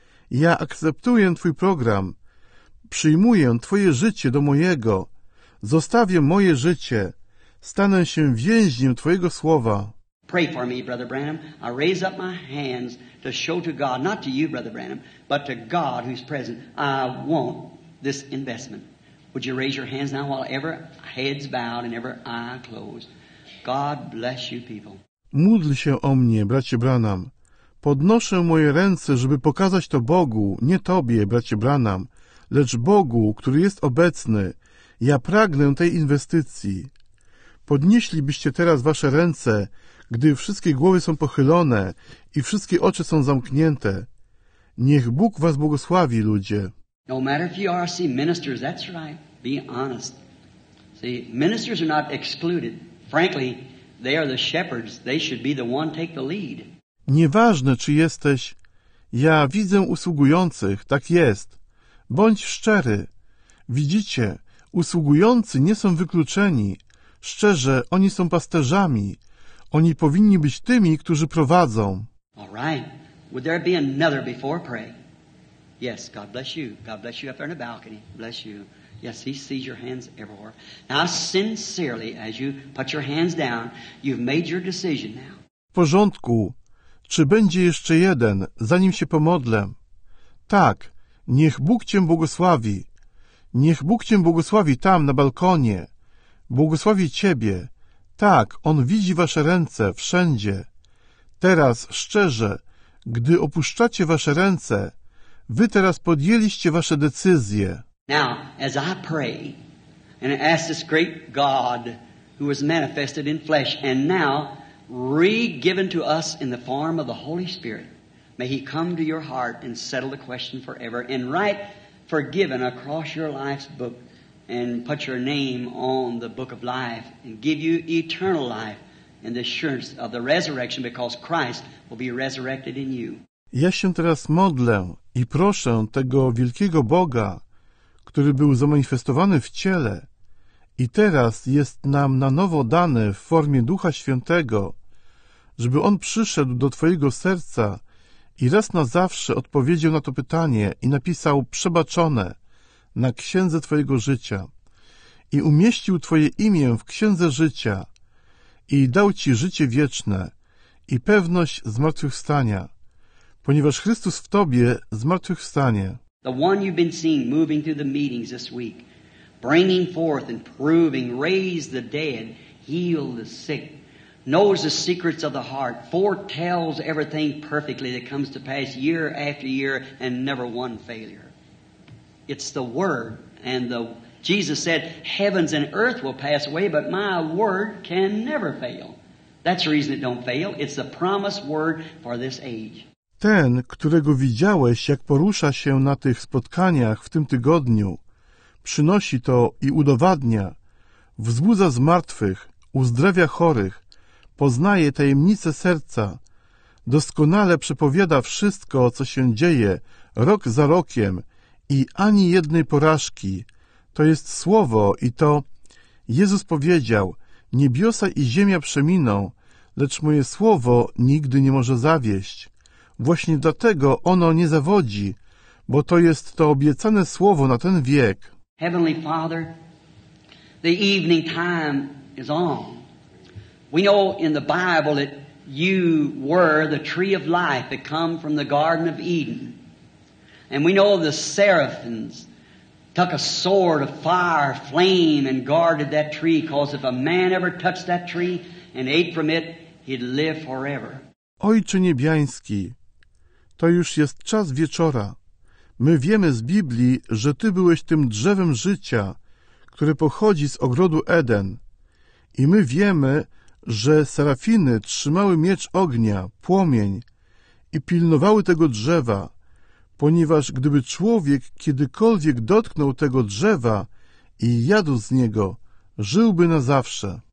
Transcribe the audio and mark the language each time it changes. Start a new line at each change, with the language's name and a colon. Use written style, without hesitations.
Polish: Ja akceptuję twój program. Przyjmuję twoje życie do mojego. Zostawię moje życie. Stanę się więźniem twojego słowa.
English: Pray for me, Brother Branham. I raise up my hands to show to God, not to you, Brother Branham, but to God who's present. I want this investment. Would you raise your hands now while ever heads bowed and ever eye closed? God bless you, people.
Polish: Módl się o mnie, bracie Branham. Podnoszę moje ręce, żeby pokazać to Bogu, nie tobie, bracie Branham, lecz Bogu, który jest obecny. Ja pragnę tej inwestycji. Podnieślibyście teraz wasze ręce, gdy wszystkie głowy są pochylone i wszystkie oczy są zamknięte. Niech Bóg was błogosławi, ludzie.
English: No matter if you are, see, ministers, that's right. Be honest. See, ministers are not excluded. Frankly, they are the shepherds. They should be the one take the lead.
Polish: Nieważne, czy jesteś, ja widzę usługujących, tak jest. Bądź szczery. Widzicie, usługujący nie są wykluczeni. Szczerze, oni są pasterzami. Oni powinni być tymi, którzy prowadzą.
English: All right. Would there be another before pray? Yes, God bless you. God bless you up there in the balcony. Bless you. Yes, he sees your hands everywhere. Now, sincerely, as you put your hands down, you've made your decision now.
Polish: W porządku. Czy będzie jeszcze jeden, zanim się pomodlę? Tak. Niech Bóg cię błogosławi. Niech Bóg cię błogosławi tam, na balkonie. Błogosławi ciebie. Tak, on widzi wasze ręce wszędzie. Teraz, szczerze, gdy opuszczacie wasze ręce, wy teraz podjęliście wasze decyzje.
English: Now, as I pray, and ask this great God who was manifested in flesh and now re-given to us in the form of the Holy Spirit, May he come to your heart and settle the question forever and write forgiven across your life's book and put your name on the book of life and give you eternal life and the assurance of the resurrection because Christ will be resurrected in you.
Polish: Ja się teraz modlę i proszę tego wielkiego Boga, który był zamanifestowany w ciele i teraz jest nam na nowo dany w formie Ducha Świętego, żeby On przyszedł do Twojego serca i raz na zawsze odpowiedział na to pytanie i napisał przebaczone na księdze Twojego życia i umieścił Twoje imię w księdze życia i dał Ci życie wieczne i pewność zmartwychwstania, ponieważ Chrystus w Tobie zmartwychwstanie.
English: The one you've been seeing moving through the meetings this week, bringing forth and proving, raise the dead, heal the sick, knows the secrets of the heart, foretells everything perfectly that comes to pass year after year and never one failure. It's the Word. And the Jesus said, heavens and earth will pass away, but my Word can never fail. That's the reason it don't fail. It's the promised Word for this age.
Polish: Ten, którego widziałeś, jak porusza się na tych spotkaniach w tym tygodniu, przynosi to i udowadnia, wzbudza zmartwych, uzdrawia chorych, poznaje tajemnice serca, doskonale przepowiada wszystko, co się dzieje, rok za rokiem i ani jednej porażki. To jest Słowo i to Jezus powiedział, niebiosa i ziemia przeminą, lecz moje Słowo nigdy nie może zawieść. Właśnie dlatego ono nie zawodzi, bo to jest to obiecane Słowo na ten wiek.
English: Heavenly Father, the evening time is on. We know in the Bible that you were the tree of life that come from the Garden of Eden. And we know the seraphims took a sword of fire, flame, and guarded that tree, because if a man ever touched that tree and ate from it, he'd live forever.
Polish: Ojcze niebiański, to już jest czas wieczora. My wiemy z Biblii, że Ty byłeś tym drzewem życia, które pochodzi z ogrodu Eden. I my wiemy, że serafiny trzymały miecz ognia, płomień i pilnowały tego drzewa, ponieważ gdyby człowiek kiedykolwiek dotknął tego drzewa i jadł z niego, żyłby na zawsze.